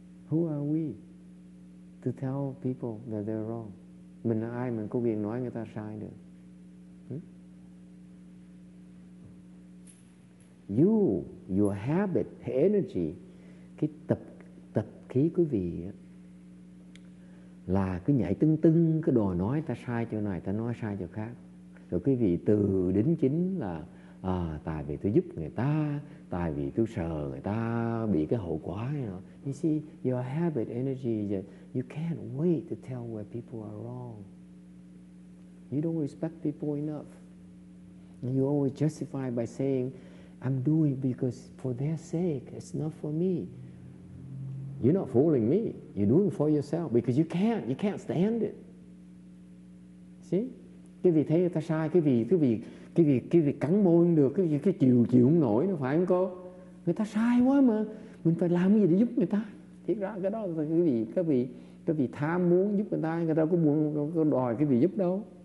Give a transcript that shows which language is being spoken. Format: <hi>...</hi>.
<en>Who are we to tell people that they're wrong?</en> <vi>Mình là ai mình có quyền nói người ta sai được?</vi> <en>Your habit, energy,</en> <vi>cái tập khí quý vị á, là cứ nhảy tưng tưng, cứ đòi nói ta sai chỗ này, ta nói sai chỗ khác. Rồi quý vị từ đính chính là à, tại vì tôi giúp người ta, tại vì tôi sợ người ta bị cái hậu quả.</vi> <en>You see, your habit energy, you can't wait to tell where people are wrong. You don't respect people enough. You always justify by saying, I'm doing because for their sake, it's not for me. You're not fooling me. You're doing it for yourself because you can't. You can't stand it. See?</en> <vi>Cái vị thấy người ta sai, cái vị cắn môi được, cái chịu không nổi nữa, phải không cô? Người ta sai quá mà. Mình phải làm gì để giúp người ta? Thiệt ra cái đó là cái vị tham muốn giúp người ta, người ta có muốn đòi cái vị giúp đâu.</vi>